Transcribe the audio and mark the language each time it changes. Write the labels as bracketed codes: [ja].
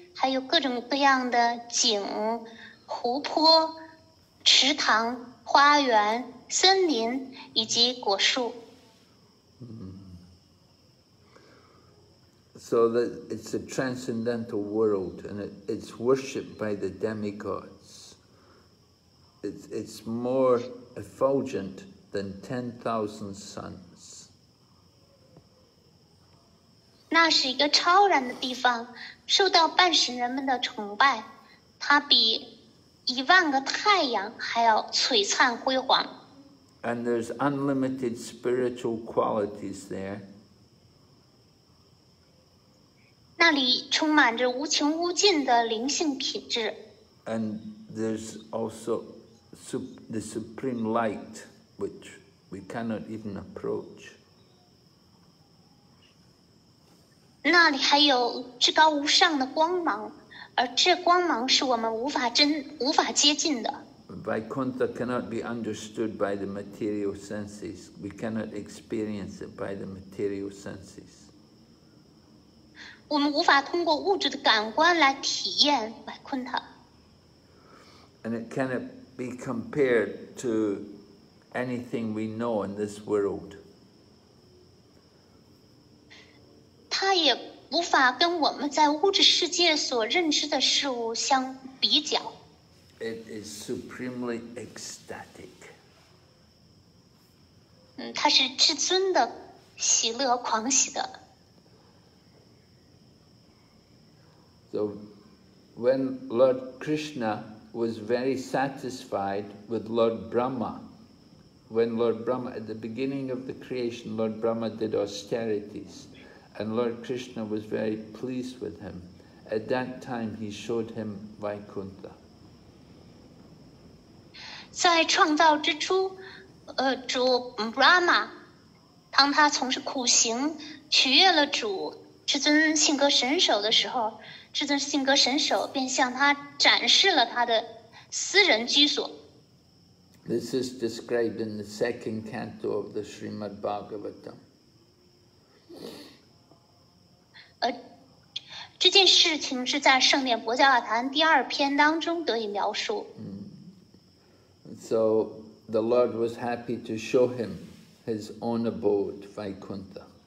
[zh] 还有各种各样的景、湖泊、池塘、花园、森林以及果树。 [en] So that it's a transcendental world, and it's worshipped by the demigods. It's more effulgent than 10,000 suns. [zh] 那是一个超然的地方。受到半神人们的崇拜，它比一万个太阳还要璀璨辉煌。 [en] And there's unlimited spiritual qualities there. [zh] 那里充满着无穷无尽的灵性品质。 [en] And there's also the supreme light, which we cannot even approach. [zh] 那里还有至高无上的光芒，而这光芒是我们无法接近的。 [en] Vaikuntha cannot be understood by the material senses. We cannot experience it by the material senses. [zh] 我们无法通过物质的感官来体验 Vaikuntha. [en] And it cannot be compared to anything we know in this world. [zh] 它也无法跟我们在物质世界所认知的事物相比较。 [en] It is supremely ecstatic. [zh] 它是至尊的喜乐狂喜的。 [en] So, when Lord Krishna was very satisfied with Lord Brahma, when Lord Brahma, at the beginning of the creation, Lord Brahma did austerities. And Lord Krishna was very pleased with him. At that time, he showed him Vaikuntha. [zh] 在创造之初，主 Brahma， 当他从事苦行，取悦了主至尊性格神手的时候，至尊性格神手便向他展示了他的私人居所。 [en] This is described in the second canto of the Srimad Bhagavatam. [zh] 这件事情是在《圣殿博迦瓦坛》第二篇当中得以描述。 [en] So the Lord was happy to show him his own abode, Vaikuntha.